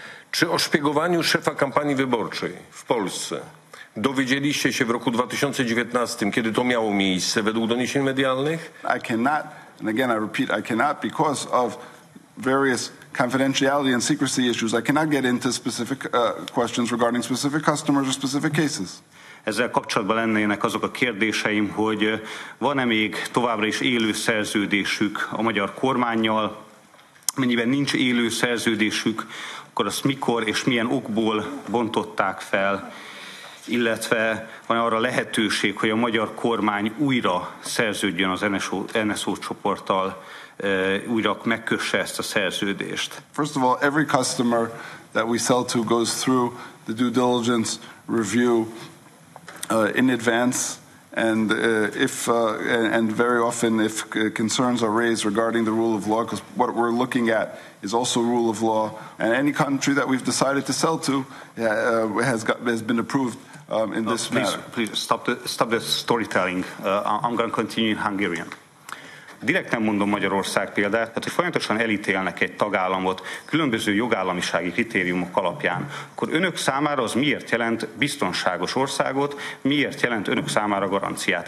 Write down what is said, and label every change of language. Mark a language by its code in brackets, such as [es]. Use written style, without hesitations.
[pl] Czy o szpiegowaniu szefa kampanii wyborczej w Polsce dowiedzieliście się w roku 2019, kiedy to miało miejsce według doniesień medialnych? [en] I cannot, and again I repeat, I cannot because of various confidentiality and secrecy issues. I cannot get into specific questions regarding specific customers or specific cases. [hu] Ezzel kapcsolatban lennének azok a kérdéseim, hogy van-e még továbbra is élő szerződésük a magyar kormánnyal? Mennyiben nincs élő szerződésük, akkor azt mikor és milyen okból bontották fel, illetve van arra lehetőség, hogy a magyar kormány újra szerződjön az NSO csoporttal, újra megkösse ezt a szerződést. [en] First of all, every customer that we sell to goes through the due diligence review in advance, and if very often if concerns are raised regarding the rule of law, because what we're looking at is also rule of law, and any country that we've decided to sell to has been approved in this please, matter. Please stop the storytelling. I'm going to continue in Hungarian. [hu] Direkt nem mondom Magyarország példát, tehát hogy folyamatosan elítélnek egy tagállamot különböző jogállamisági kritériumok alapján, akkor önök számára az miért jelent biztonságos országot, miért jelent önök számára garanciát?